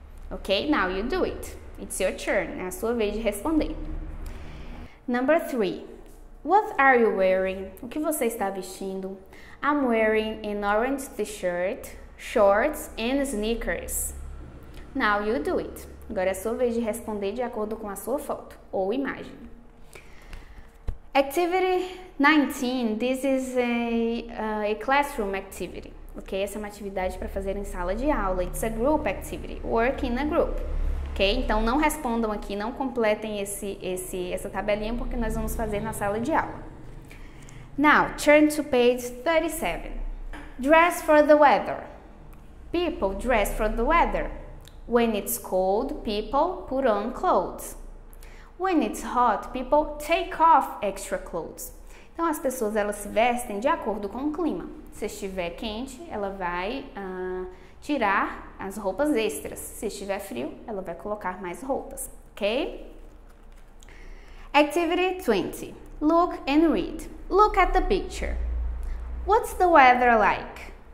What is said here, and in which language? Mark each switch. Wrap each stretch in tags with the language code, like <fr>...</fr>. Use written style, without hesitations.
<en>Okay, now you do it. It's your turn.</en> <pt>É a sua vez de responder.</pt> <en>Number three. What are you wearing?</en> <pt>O que você está vestindo?</pt> <en>I'm wearing an orange t-shirt, shorts, and sneakers. Now you do it.</en> <pt>Agora é a sua vez de responder de acordo com a sua foto ou imagem.</pt> <en>Activity 19. This is a classroom activity. Ok?</en> <pt>Essa é uma atividade para fazer em sala de aula.</pt> <en>It's a group activity. Work in a group. Ok?</en> <pt>Então não respondam aqui, não completem essa tabelinha porque nós vamos fazer na sala de aula.</pt> <en>Now, turn to page 37. Dress for the weather. People dress for the weather. When it's cold, people put on clothes. When it's hot, people take off extra clothes.</en> <pt>Então, as pessoas, elas se vestem de acordo com o clima. Se estiver quente, ela vai tirar as roupas extras. Se estiver frio, ela vai colocar mais roupas.</pt> <en>Ok? Activity 20. Look and read. Look at the picture. What's the weather like?</en>